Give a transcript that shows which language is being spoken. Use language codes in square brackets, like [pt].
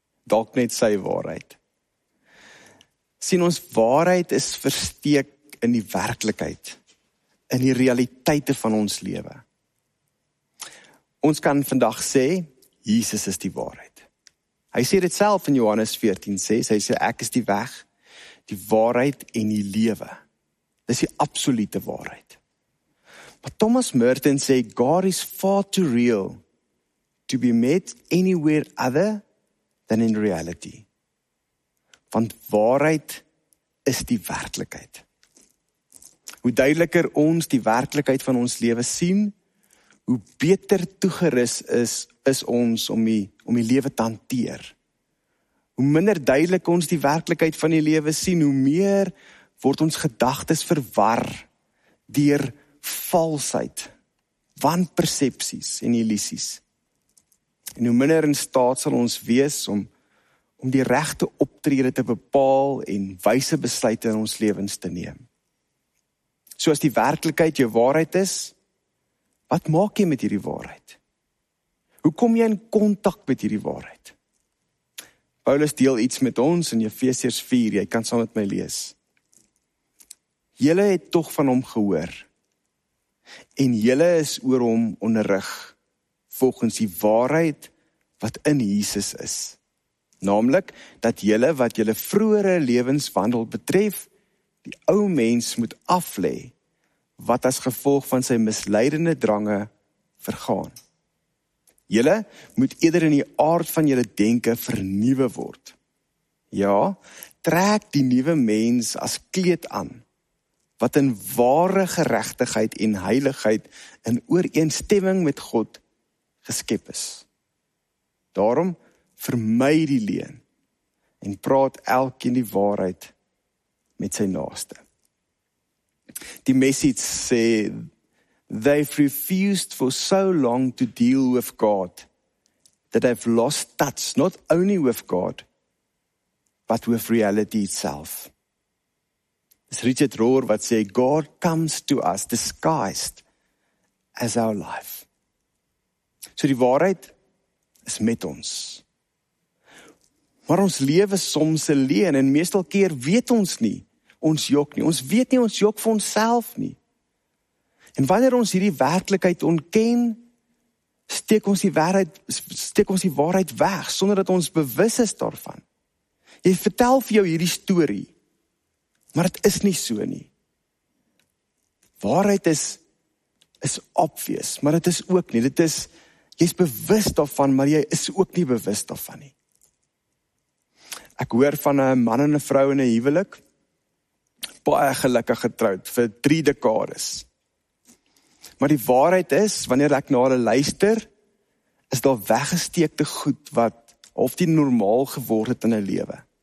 [af] Dalk net sy waarheid. Sien ons waarheid is versteek in die werklikheid, in die realiteite van ons lewe. Ons kan vandag sê, Jesus is die waarheid. Hy sê dit self in Johannes 14:6, hy sê ek is die weg, die waarheid en die lewe. Dis die absolute waarheid. [en] But Thomas Merton [af] sê, [en] God is far too real to be met anywhere other than in reality. [af] Want waarheid is die werklikheid. Hoe duideliker ons die werklikheid van ons lewe sien, hoe beter toegerus is ons om die lewe te hanteer. Hoe minder duidelik ons die werklikheid van die lewe sien, hoe meer word ons gedagtes verwar deur valsheid, wanpersepsies en illusies. En hoe minder in staat sal ons wees om die regte optrede te bepaal en wyse besluite in ons lewens te neem. So as die werklikheid jou waarheid is, wat maak jy met hierdie waarheid? Hoe kom jy in kontak met hierdie waarheid? Paulus deel iets met ons in Efesiërs 4, jy kan saam met my lees. Julle het tog van hom gehoor. En julle is oor hom onderrig volgens die waarheid wat in Jesus is. Naamlik dat julle wat julle vroeëre lewenswandel betref, die ou mens moet aflê wat as gevolg van sy misleidende drange vergaan. Julle moet eerder in die aard van julle denke vernuwe word. Ja, trek die nuwe mens as kleed aan, wat in ware geregtigheid en heiligheid in ooreenstemming met God geskep is. Daarom vermy die leuen en praat elkeen die waarheid met sy naaste. Die Message sê, [en] they've refused for so long to deal with God that they've lost touch not only with God, but with reality itself. It's Richard Rohr [af] wat sê, [en] God comes to us disguised as our life. [af] So die waarheid is met ons. Maar ons lewe soms alleen en meestal keer weet ons nie, ons jok nie. Ons weet nie, ons jok vir onsself nie. En wanneer ons hierdie werklikheid ontken, steek ons die waarheid weg, sonder dat ons bewus is daarvan. Jy vertel vir jou hierdie story, maar het is nie so nie. Waarheid is obvious, maar het is ook nie. Dit is, jy is bewus daarvan, maar jy is ook nie bewus daarvan nie. Ek hoor van 'n man en 'n vrou in 'n huwelik, baie gelukkig getroud, vir 3 dekades. Maar die waarheid is, wanneer ek na hulle luister, is daar weggesteekte goed wat of die normaal geword het in hulle lewe.